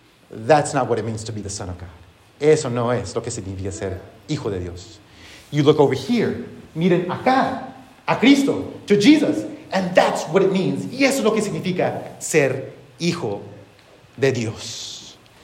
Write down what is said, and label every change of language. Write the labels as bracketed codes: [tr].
[en] That's not what it means to be the son of God. [es] Eso no es lo que significa ser hijo de Dios. [en] You look over here, [es] miren acá, a Cristo, [en] to Jesus, and that's what it means. [es] Y eso es lo que significa ser hijo de Dios.